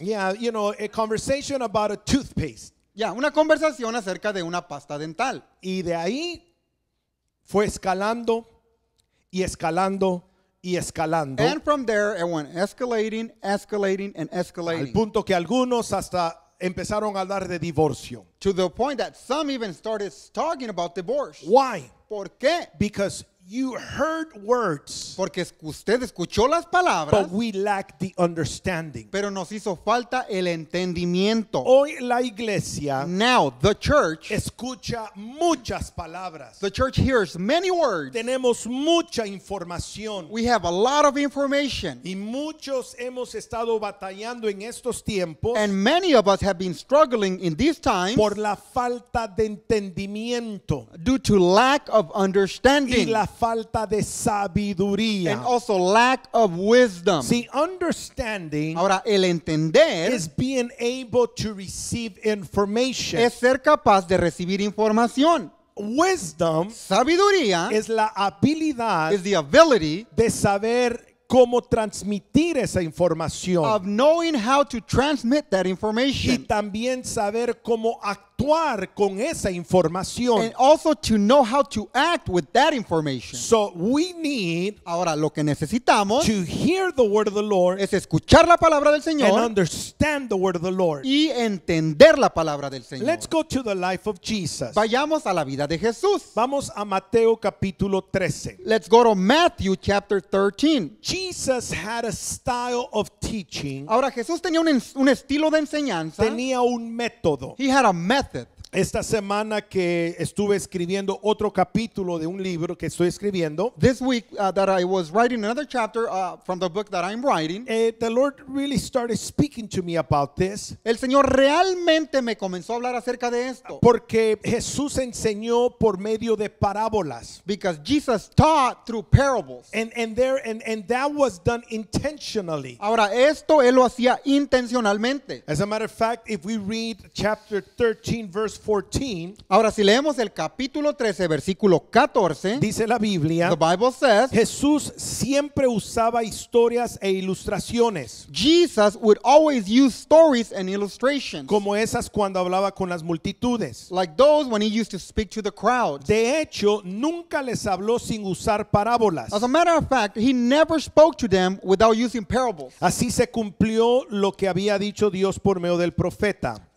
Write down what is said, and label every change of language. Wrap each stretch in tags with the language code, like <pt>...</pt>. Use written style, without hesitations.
<en>Yeah, you know, a conversation about a toothpaste.</en> <es>Yeah, una conversación acerca de una pasta dental. Y de ahí fue escalando y escalando. Y escalando.</es> <en>And from there, it went escalating, escalating, and escalating.</en> <es>Al punto que algunos hasta empezaron a hablar de divorcio.</es> <en>To the point that some even started talking about divorce. Why?</en> <es>¿Por qué?</es> <en>Because you heard words.</en> <es>Porque usted escuchó las palabras.</es> <en>But we lack the understanding.</en> <es>Pero nos hizo falta el entendimiento. Hoy la iglesia.</es> <en>Now the church.</en> <es>Escucha muchas palabras.</es> <en>The church hears many words.</en> <es>Tenemos mucha información.</es> <en>We have a lot of information.</en> <es>Y muchos hemos estado batallando en estos tiempos.</es> <en>And many of us have been struggling in these times.</en> <es>Por la falta de entendimiento.</es> <en>Due to lack of understanding.</en> <es>La falta de sabiduría.</es> <en>And also lack of wisdom. See, understanding.</en> <es>Ahora, el entender</es> <en>is being able to receive information.</en> <es>Es ser capaz de recibir información.</es> <en>Wisdom.</en> <es>Sabiduría is la habilidad,</es> <en>is the ability</en> <es>de saber cómo transmitir esa información.</es> <en>Of knowing how to transmit that information.</en> <es>Y también saber cómo actuar con esa información.</es> <en>And also to know how to act with that information. So we need,</en> <es>ahora lo que necesitamos,</es> <en>to hear the word of the Lord,</en> <es>es escuchar la palabra del Señor,</es> <en>and understand the word of the Lord,</en> <es>y entender la palabra del Señor.</es> <en>Let's go to the life of Jesus.</en> <es>Vayamos a la vida de Jesús. Vamos a Mateo capítulo 13.</es> <en>Let's go to Matthew chapter 13. Jesus had a style of teaching.</en> <es>Ahora Jesús tenía un estilo de enseñanza. Tenía un método.</es> <en>He had a method.</en> <es>Esta semana que estuve escribiendo otro capítulo de un libro que estoy escribiendo.</es> <en>This week that I was writing another chapter from the book that I'm writing. The Lord really started speaking to me about this.</en> <es>El Señor realmente me comenzó a hablar acerca de esto. Porque Jesús enseñó por medio de parábolas.</es> <en>Because Jesus taught through parables. And that was done intentionally.</en> <es>Ahora esto él lo hacía intencionalmente.</es> <en>As a matter of fact, if we read chapter 13 verse 14.</en> <es>Ahora si leemos el capítulo 13 versículo 14, dice la Biblia,</es> <en>the Bible says,</en> <es>Jesús siempre usaba historias e ilustraciones.</es> <en>Jesus would always use stories and illustrations.</en> <es>Como esas cuando hablaba con las multitudes.</es> <en>Like those when he used to speak to the crowds.</en> <es>De hecho, nunca les habló sin usar parábolas.</es> <en>As a matter of fact, he never spoke to them without using parables.</en> <es>Así se cumplió lo que había dicho Dios por medio del profeta.</es>